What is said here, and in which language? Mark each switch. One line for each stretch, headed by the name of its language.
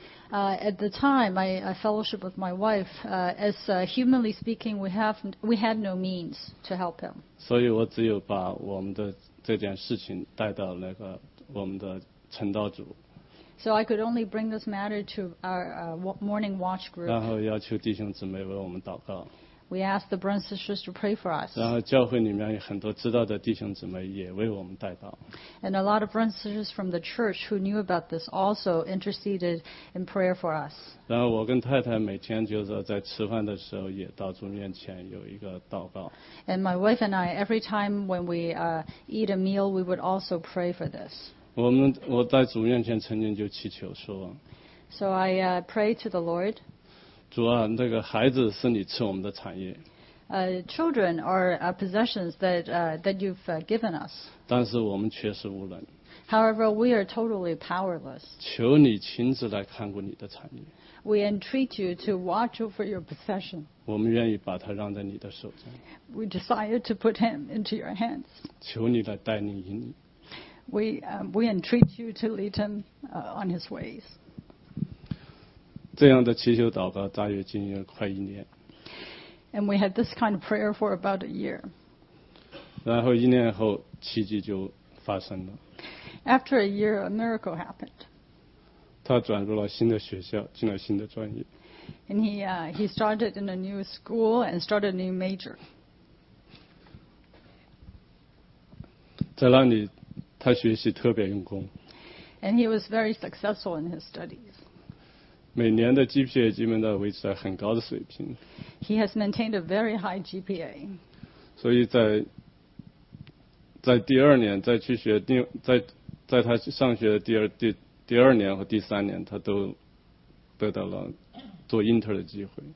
English: At the time, I fellowship with my wife. Humanly speaking, we had no means to help him.
Chinese: 所以我只有把我们的这件事情带到那个我们的陈道主。
English: So I could only bring this matter to our morning watch group.
Chinese: 然后要求弟兄姊妹为我们祷告。
English: We asked the brothers and sisters to pray for us.
Chinese: 然后教会里面有很多知道的弟兄姊妹也为我们代祷。
English: And a lot of brothers and sisters from the church who knew about this also interceded in prayer for us.
Chinese: 然后我跟太太每天就是在吃饭的时候也到主面前有一个祷告。
English: And my wife and I, every time when we eat a meal, we would also pray for this.
Chinese: 我在主面前曾经就祈求说。
English: So I pray to the Lord.
Chinese: 主啊，那个孩子是你赐我们的产业。
English: Children are possessions that you've given us.
Chinese: 但是我们却是无能。
English: However, we are totally powerless.
Chinese: 求你亲自来看顾你的产业。
English: We entreat you to watch over your possession.
Chinese: 我们愿意把它让在你的手中。
English: We desire to put him into your hands.
Chinese: 求你来带领引领。
English: We entreat you to lead him on his ways.
Chinese: 这样的祈求祷告大约经营了快一年。
English: And we had this kind of prayer for about a year.
Chinese: 然后一年后奇迹就发生了。
English: After a year, a miracle happened.
Chinese: 他转入了新的学校，进了新的专业。
English: And he started in a new school and started a new major.
Chinese: 在那里他学习特别用功。
English: And he was very successful in his studies.
Chinese: 每年的 GPA 基本都维持在很高的水平。
English: He has maintained a very high GPA.
Chinese: 所以在第二年再去学在他上学的第二年和第三年，他都得到了做 intern 的机会。